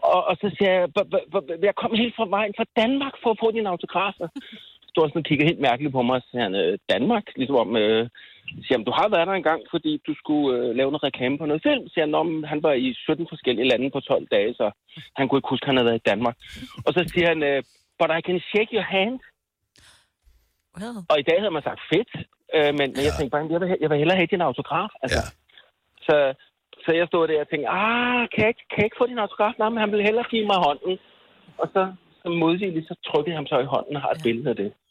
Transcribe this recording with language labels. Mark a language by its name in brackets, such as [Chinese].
[Danish] Og så siger jeg kom helt fra vejen fra Danmark for at få din autograf. Så står han sådan og kigger helt mærkeligt på mig, og siger han, Danmark? Ligesom om, siger han, du har været der engang, fordi du skulle lave noget reklame på noget film. Siger han, han var i 17 forskellige lande på 12 dage, så han kunne ikke huske, han havde været i Danmark. Og så siger han, [English] but I can shake your hand. Well. [Danish] Og i dag havde man sagt fedt, men jeg tænkte bare, jeg vil hellere have din autograf. Altså. Ja. Så, Så jeg stod der og tænkte, kan jeg ikke få din autograf? Nej, men han vil hellere give mig hånden. Og så som modsigeligt, så trykkede han så i hånden og har et billede af det.